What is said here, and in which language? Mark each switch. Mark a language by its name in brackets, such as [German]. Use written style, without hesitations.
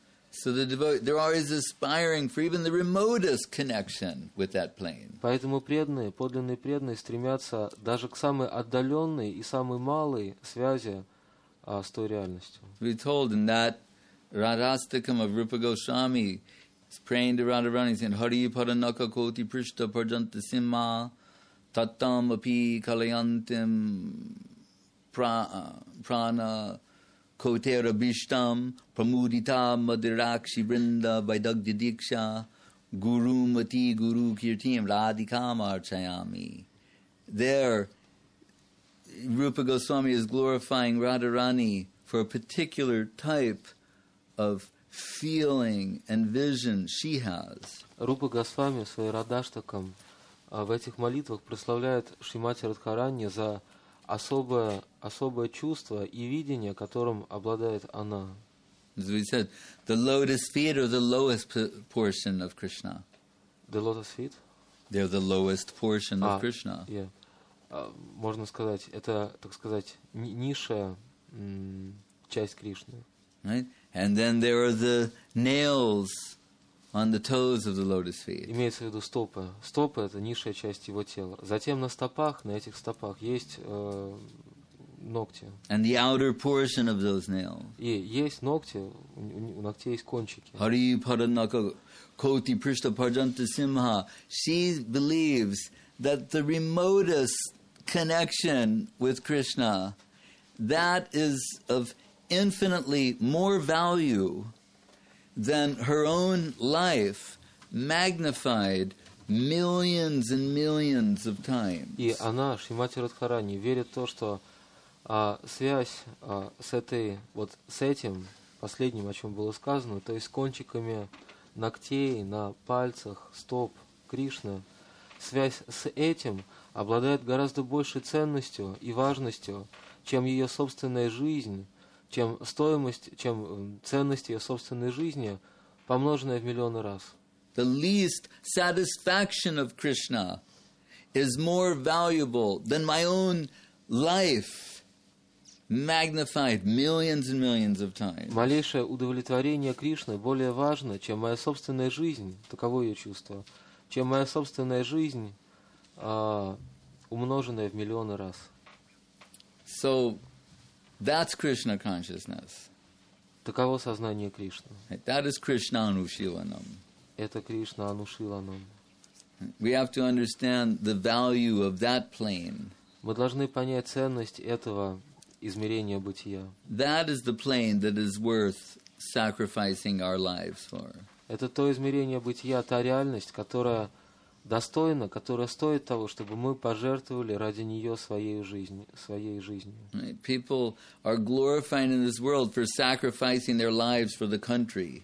[English] So the devotee, they're always aspiring for even the remotest connection with that plane. [Russian] Поэтому преданные, подлинные преданные стремятся даже к самой отдаленной и самой малой связи с той реальностью. [English] We told in that Radhastakam of Rupa Goswami, he's praying to Radharani, saying, [Sanskrit] Hari Paranaka Koti Prishta Parjanta Simma Tattam Api Kalyantim Prana Kotera Bishtam Pramudita Madhirakshi Brinda Vaidagdi Diksha Guru Mati Guru Kirtim Radhikam Archayami. [English] There, Rupa Goswami is glorifying Radharani for a particular type of feeling and vision she has. [Russian] Rupa Goswami в своей Радаштакам в этих молитвах прославляет Шримати Радхарани за особое чувство и видение, которым обладает она. [English] As we said, the lotus feet are the lowest portion of Krishna. The lotus feet? They're the lowest portion of Krishna. Yeah. [Russian] Можно сказать, это, так сказать, низшая часть Кришны. [English] Right? And then there are the nails on the toes of the lotus feet. [Russian] Имеется в виду стопы. Стопы — это низшая часть его тела. Затем на стопах, на этих стопах есть ногти. [English] And the outer portion of those nails. [Russian] И есть ногти, у ногтей есть кончики. [Sanskrit] Hari Paranaka Koti Prishta Parjanta Simha. [English] She believes that the remotest connection with Krishna, that is of infinitely more value than her own life magnified millions and millions of times. [Russian] И она, Шримати Радхарани, верит в то, что связь с этой вот с этим последним, о чем было сказано, то есть с кончиками ногтей на пальцах стоп Кришны, связь с этим обладает гораздо большей ценностью и важностью, чем ее собственная жизнь, чем стоимость, чем ценность ее собственной жизни, помноженная в миллионы раз. [English] The least satisfaction of Krishna is more valuable than my own life, magnified millions and millions of times. [Russian] Малейшее удовлетворение Кришны более важно, чем моя собственная жизнь. Таково я чувство. Чем моя собственная жизнь, умноженная в миллионы раз. [English] So, that's Krishna consciousness. [Russian] Таково сознание Кришны. [English] That is Krishna Anushilanam. [Russian] Это Кришна Анушиланам. [English] We have to understand the value of that plane. [Russian] Мы должны понять ценность этого измерения бытия. [English] That is the plane that is worth sacrificing our lives for. [Russian] Это то измерение бытия, та реальность, которая достойна, которая стоит того, чтобы мы пожертвовали ради нее своей жизнью. [English] People are glorified in this world for sacrificing their lives for the country.